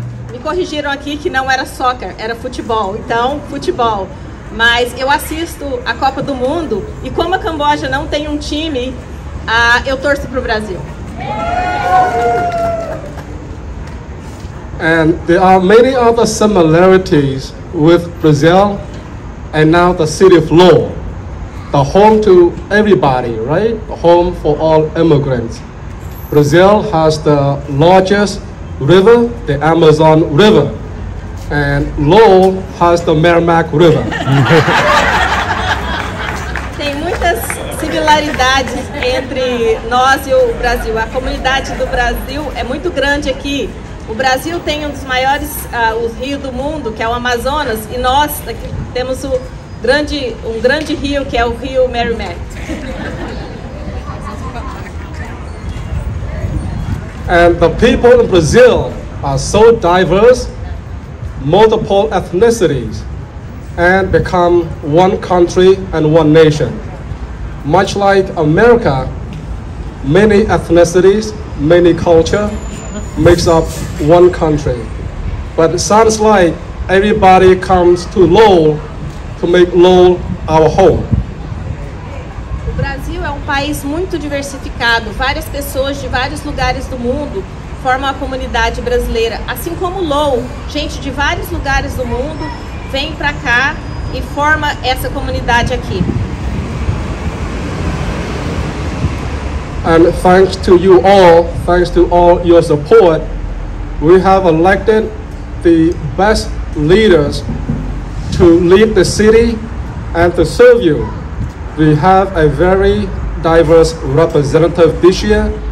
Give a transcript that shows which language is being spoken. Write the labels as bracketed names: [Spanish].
[Portuguese] Me corrigiram aqui que não era soccer, era futebol. Então, futebol. Mas eu assisto a Copa do Mundo, e como a Camboja não tem um time, eu torço para o Brasil. [English] And there are many other similarities with Brazil and now the city of Lowell, the home to everybody, right? The home for all immigrants. Brazil has the largest river, the Amazon River, and Lowell has the Merrimack River. [Portuguese] Tem muitas similaridades entre nós e o Brasil. A comunidade do Brasil é muito grande aqui. O Brasil tem um dos maiores rios do mundo, que é o Amazonas, e nós aqui temos um grande rio, que é o rio Merrimack. [English] And the people in Brazil are so diverse, multiple ethnicities, and become one country and one nation. Much like America, many ethnicities, many culture, makes up one country. But it sounds like everybody comes to Lowell to make Lowell our home. [Portuguese] país muito diversificado. Várias pessoas de vários lugares do mundo formam a comunidade brasileira. Assim como Lowell, gente de vários lugares do mundo vem para cá e forma essa comunidade aqui. [English] And thanks to you all, thanks to all your support, we have elected the best leaders to lead the city and to serve you. We have a very diverse representative this year.